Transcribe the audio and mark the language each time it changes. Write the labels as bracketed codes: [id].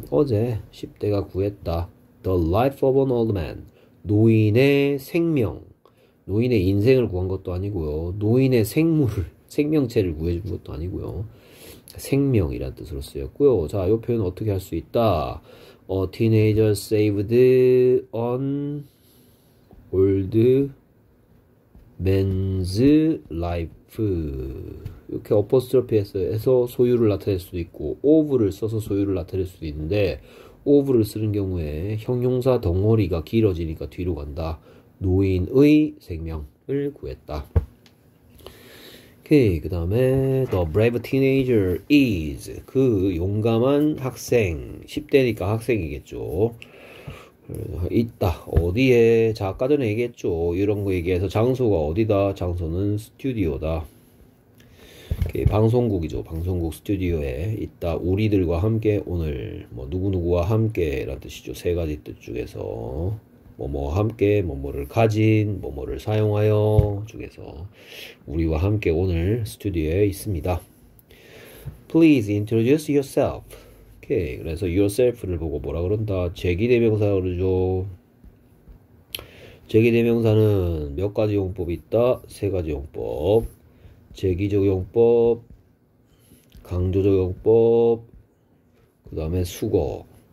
[ko] 어제 10대가 구했다. The life of an old man. 노인의 생명. 노인의 인생을 구한 것도 아니고요. 노인의 생물을, 생명체를 구해준 것도 아니고요. 생명이란 뜻으로 쓰였고요. 자, 요 표현 어떻게 할수 있다? [en] A teenager saved an old man's life. [ko] 이렇게 apostrophe 해서 소유를 나타낼 수도 있고, of를 써서 소유를 나타낼 수도 있는데, of를 쓰는 경우에 형용사 덩어리가 길어지니까 뒤로 간다. 노인의 생명을 구했다. 오케이. 그 다음에 The brave teenager is 그 용감한 학생. 10대니까 학생이겠죠. 있다. 어디에? 자, 아까 전에 얘기했죠. 이런 거 얘기해서 장소가 어디다? 장소는 스튜디오다. 방송국이죠. 방송국 스튜디오에 있다. 우리들과 함께 오늘 뭐 누구누구와 함께란 뜻이죠. 세 가지 뜻 중에서 뭐뭐와 함께 뭐뭐를 가진 뭐뭐를 사용하여 중에서 우리와 함께 오늘 스튜디오에 있습니다. [en] Please introduce yourself. [ko] 오케이. 그래서 yourself를 보고 뭐라 그런다. 제기대명사로죠. 제기대명사는 몇 가지 용법이 있다. 세 가지 용법. 제기적 용법, 강조적 용법, 그 다음에 수거.